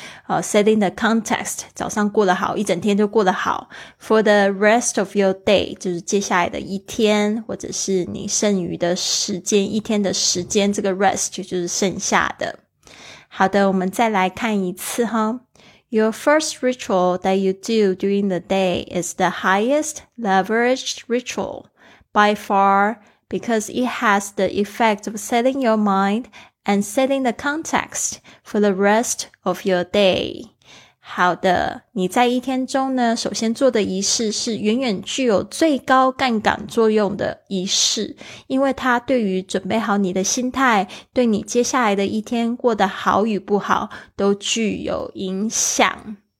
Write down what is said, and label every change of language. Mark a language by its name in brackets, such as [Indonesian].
[English] Setting the context， [Chinese] 早上过得好，一整天就过得好。 [English] For the rest of your day， [Chinese] 就是接下来的一天，或者是你剩余的时间，一天的时间，这个 rest 就是剩下的。好的，我们再来看一次哈。 [English] Your first ritual that you do during the day is the highest leveraged ritual by far because it has the effect of setting your mind and setting the context for the rest of your day。 [Chinese] 好的，你在一天中呢，首先做的仪式是远远具有最高杠杆作用的仪式，因为它对于准备好你的心态，对你接下来的一天过得好与不好都具有影响。